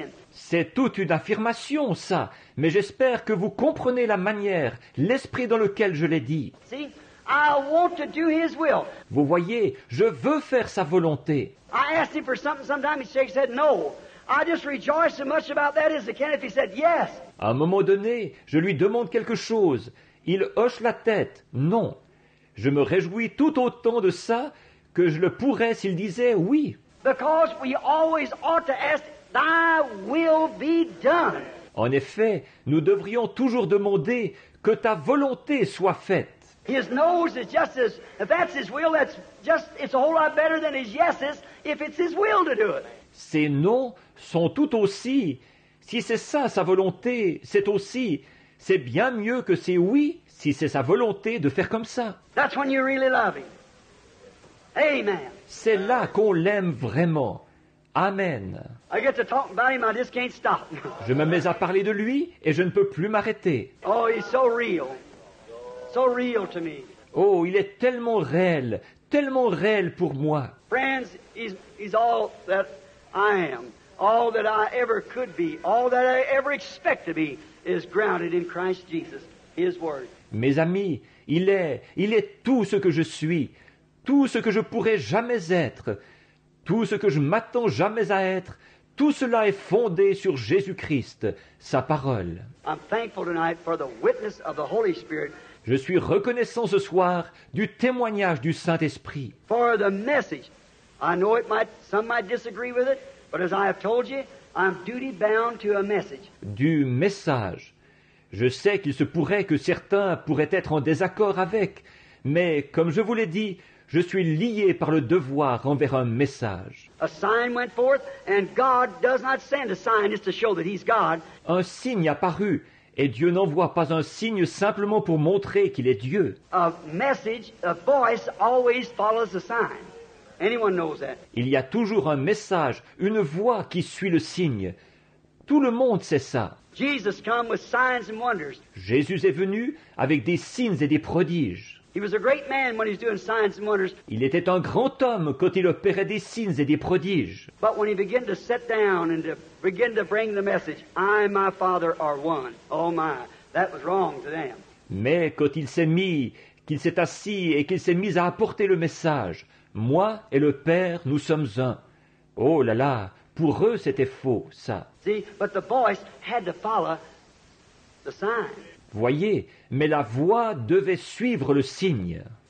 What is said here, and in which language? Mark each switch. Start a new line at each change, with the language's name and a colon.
French: C'est toute une affirmation, ça. Mais j'espère que vous comprenez la manière, l'esprit dans lequel je l'ai dit.
English: See, I want to do his will.
French: Vous voyez, je veux faire sa volonté.
English: I asked him for something sometimes, he said no. I just rejoice so much about that as I can if he said yes.
French: À un moment donné, je lui demande quelque chose. Il hoche la tête. Non. Je me réjouis tout autant de ça que je le pourrais s'il disait oui.
English: Because we always ought to ask, thy will be done.
French: En effet, nous devrions toujours demander que ta volonté soit faite.
English: His nose is just as, if that's his will, that's just, it's a whole lot better than his yeses if it's his will to do it.
French: Ses noms sont tout aussi, si c'est ça sa volonté, c'est aussi, c'est bien mieux que ses oui, si c'est sa volonté de faire comme ça.
English: That's when you really love him. Amen.
French: C'est là qu'on l'aime vraiment. Amen.
English: I get to talking about him, I just can't stop.
French: Je me mets à parler de lui et je ne peux plus m'arrêter.
English: Oh, he's so real. So real to me.
French: Oh, il est tellement réel pour moi.
English: Friends, he's all that I am. All that I ever could be, all that I ever expect to be is grounded in Christ Jesus, his word.
French: Mes amis, il est tout ce que je suis, tout ce que je pourrais jamais être. Tout ce que je m'attends jamais à être, tout cela est fondé sur Jésus-Christ, sa parole.
English: I'm thankful tonight for the witness of the Holy Spirit.
French: Je suis reconnaissant ce soir du témoignage du Saint-Esprit.
English: For the message, I know it might, some might disagree with it, but as I have told you, I'm duty-bound to a message.
French: Du message. Je sais qu'il se pourrait que certains pourraient être en désaccord avec, mais comme je vous l'ai dit, je suis lié par le devoir envers un message.
English: A sign went forth, and God does not send a sign just to show that He's God.
French: Un signe apparut, et Dieu n'envoie pas un signe simplement pour montrer qu'il est Dieu.
English: A message, a voice always follows the sign. Anyone knows that?
French: Il y a toujours un message, une voix qui suit le signe. Tout le monde sait ça.
English: Jesus came with signs and wonders.
French: Jésus est venu avec des signes et des prodiges.
English: He was a great man when he was doing signs and wonders.
French: Il était un grand homme quand il opérait des signes et des prodiges.
English: But when he began to sit down and to begin to bring the message, I and my Father are one. Oh my, that was wrong to them.
French: Mais quand il s'est mis, qu'il s'est assis et qu'il s'est mis à apporter le message, moi et le Père, nous sommes un. Oh là là, pour eux c'était faux, ça.
English: See, but the voice had to follow the sign.
French: Voyez, mais la voix devait suivre le signe.